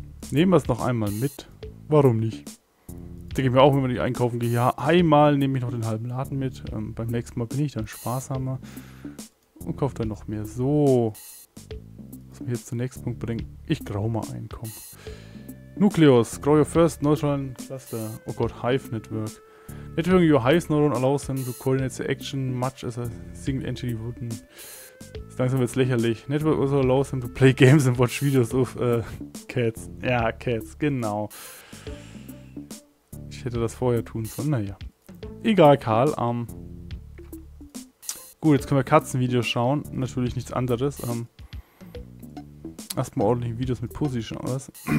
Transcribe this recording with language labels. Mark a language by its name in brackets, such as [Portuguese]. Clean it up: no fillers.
[German] Nehmen wir es noch einmal mit. Warum nicht? Denke ich mir auch, wenn wir nicht einkaufen gehen. Ja, einmal nehme ich noch den halben Laden mit. Beim nächsten Mal bin ich dann sparsamer. Und kaufe dann noch mehr. So. Was mich jetzt zum nächsten Punkt bringt. Ich grau mal ein, komm. [English] Nucleus, grow your first neutron cluster. [German] Oh Gott, [English] Hive Network. Networking your Hive neuron allows them to coordinate the action much as a single entity would. [German] Langsam wird's lächerlich. [English] Network also allows them to play games and watch videos of cats. [German] Ja, cats, genau. Ich hätte das vorher tun sollen, naja. Egal, Karl. Gut, jetzt können wir Katzenvideos schauen. Natürlich nichts anderes. Erstmal ordentliche Videos mit Pussy schauen, was?